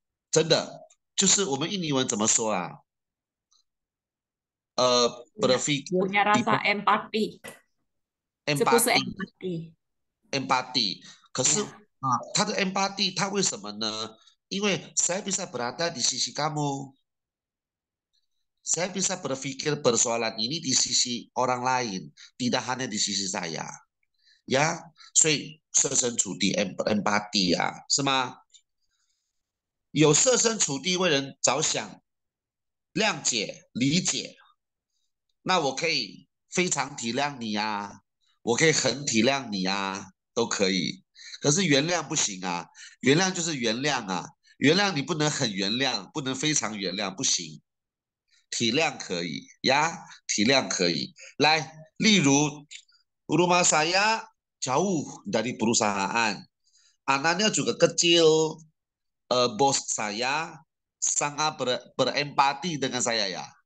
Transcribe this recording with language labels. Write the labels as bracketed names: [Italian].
[Chinese] 真的，就是我们印尼文怎么说啊？ [Indonesian] Berfikir deep Punya rasa empati. Itu bukan empati. [English] empathy，可是 [Indonesian] Ya. [Chinese] 他的 empathy 他为什么呢？因为 [Indonesian] saya bisa berada di sisi kamu，saya bisa berpikir persoalan ini di sisi orang lain，tidak hanya di sisi saya，ya， [Chinese] 所以设身处地 empathy 呀，是吗？有设身处地为人着想，谅解理解，那我可以非常体谅你呀。我可以很体谅你啊，都可以，可是原谅不行啊，原谅就是原谅啊，原谅你不能很原谅，不能非常原谅，不行，体谅可以呀，体谅可以。来，例如， [Indonesian] rumah saya jauh dari perusahaan, anaknya juga kecil, bos saya sangat berempati dengan saya ya.